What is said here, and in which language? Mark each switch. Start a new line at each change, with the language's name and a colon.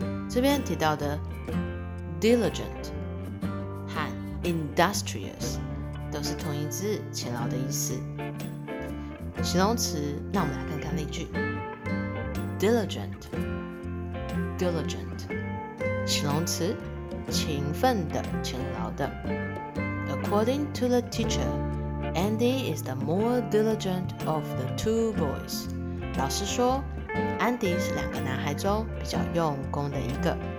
Chinese: 这边提到的 diligent 和 industrious 都是同一字，勤劳的意思。形容词，那我们来看看例句。diligent 形容词，勤奋的，勤劳的。
English: According to the teacherAndy is the more diligent of the two boys.
Chinese: 老师说，安迪是两个男孩中比较用功的一个。